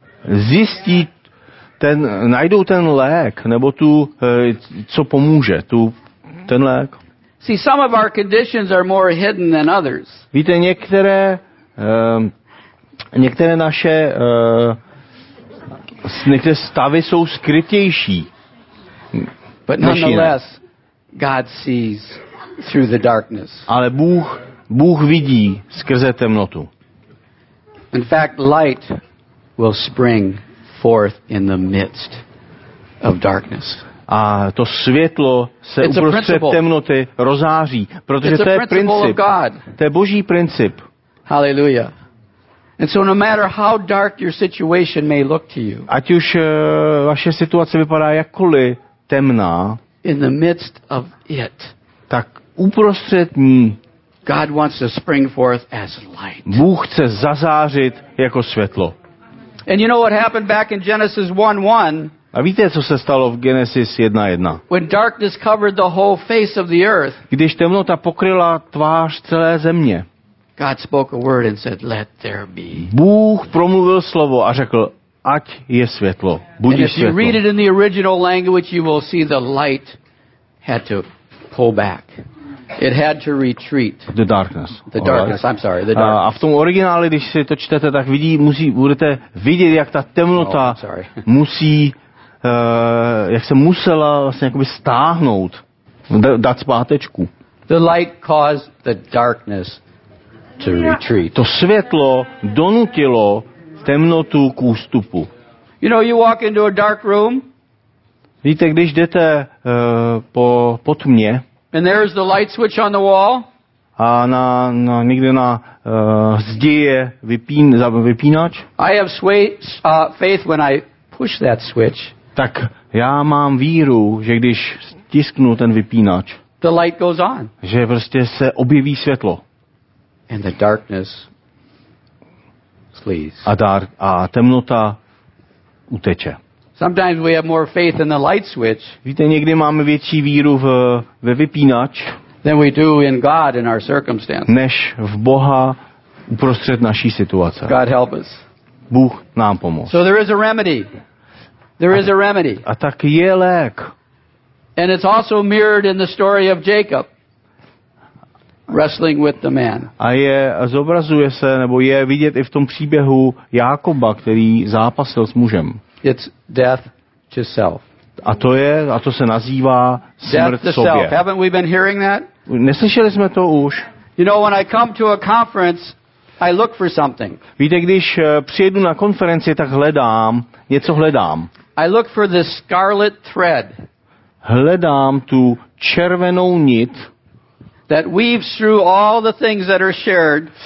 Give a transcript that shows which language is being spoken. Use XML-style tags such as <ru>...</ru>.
<cs>Zjistí ten, najdou ten lék, nebo tu, co pomůže, tu ten lék.</cs> <en>See, some of our conditions are more hidden than others.</en> <cs>Víte, některé naše Někde stavy jsou skrytější.</cs> <en>But nonetheless, God sees through the darkness.</en> <cs>Ale Bůh vidí skrze temnotu.</cs> <en>In fact, light will spring forth in the midst of darkness.</en> <cs>A to světlo se uprostřed temnoty rozáří, protože to je princip. To je Boží princip.</cs> <en>Hallelujah. And so no matter how dark your situation may look to you.</en> <cs>Ať už vaše situace vypadá jakkoliv temná,</cs> <en>in the midst of it.</en> <cs>Tak uprostřed ní</cs> <en>God wants to spring forth as light.</en> <cs>Bůh chce zazářit jako světlo.</cs> <en>And you know what happened back in Genesis 1:1?</en> <cs>A víte, co se stalo v Genesis 1:1?</cs> <en>When darkness covered the whole face of the earth.</en> <cs>Když temnota pokryla tvář celé země.</cs> <en>God spoke a word and said, "Let there be."</en> <cs>Bůh promluvil slovo a řekl, ať je světlo. Buď světlo.</cs> <en>If you read it in the original language, you will see the light had to pull back. It had to retreat. The darkness. The darkness. I'm sorry. The darkness.</en> <cs>A v tom originále, když si to čtete, tak vidí, musí, budete vidět, jak ta temnota musí, jak se musela vlastně jakoby stáhnout, dát zpátečku.</cs> <en>The light caused the darkness to retreat.</en> <cs>To světlo donutilo temnotu k ústupu.</cs> <en>You know, you walk into a dark room.</en> <cs>Víte, když jdete po tmě.</cs> <en>And there is the light switch on the wall.</en> <cs>A na někde na zdi je vypínač.</cs> <en>I have faith when I push that switch.</en> <cs>Tak já mám víru, že když stisknu ten vypínač.</cs> <en>The light goes on.</en> <cs>Že prostě se objeví světlo.</cs> <en>And the darkness flees.</en> <cs>A temnota uteče.</cs> <en>Sometimes we have more faith in the light switch.</en> <cs>Víte, někdy máme větší víru ve vypínač.</cs> <en>Than we do in God in our circumstances.</en> <cs>Než v Boha uprostřed naší situace.</cs> <en>God help us.</en> <cs>Bůh nám pomoct.</cs> <en>So there is a remedy. There is a remedy.</en> <cs>A tak je lék.</cs> <en>And it's also mirrored in the story of Jacob wrestling with the man.</en> <cs>A je zobrazuje se nebo je vidět i v tom příběhu Jákoba, který zápasil s mužem.</cs> <en>It's death to self.</en> <cs>A to se nazývá smrt</cs> <en>self. Haven't we been hearing that?</en> <cs>Neslyšeli jsme to už?</cs> <en>You know, when I come to a conference, I look for something.</en> <cs>Víte, když přijedu na konferenci, tak hledám, něco hledám.</cs> <en>I look for the scarlet thread.</en> <cs>Hledám tu červenou nit.</cs> <en>That weaves through all the things that are shared.</en>